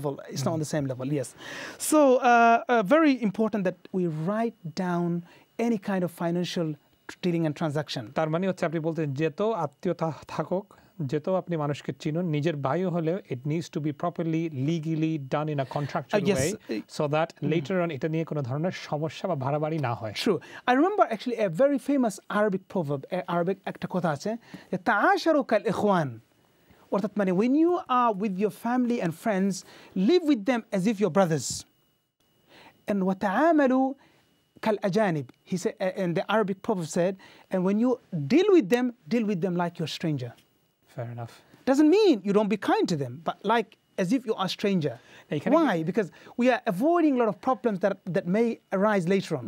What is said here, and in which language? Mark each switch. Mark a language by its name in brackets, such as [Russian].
[English] It's not on the same level. So very important that we write down any kind of financial dealing and transaction. [Bangla] তার মানে হচ্ছে আপনি বলতে যেতো আত্মীয়তা থাকুক, যেতো আপনি মানুষকে চিনুন, নিজের ভাইও হলেও [English] it needs to be properly legally done in a contractual way, so that later on [Bangla] এটা নিয়ে কোনো ধরনের সমস্যা বা ভাড়াবাড়ি না হয়। [English] true, I remember actually a very famous Arabic proverb, [Bangla] Arabic একটা কথা আছে, [Arabic] তাআশারু কাল ইখওয়ান, [Bangla] অর্থাৎ মানে [English] when you are with your family and friends, live with them as if your brothers. And [Arabic] wataamalu kal ajanib, [English] he said, and the Arabic proverb said, and when you deal with them like you're a stranger. Fair enough. Doesn't mean you don't be kind to them, but like as if you are a stranger. Why? Because we are avoiding a lot of problems that may arise later on.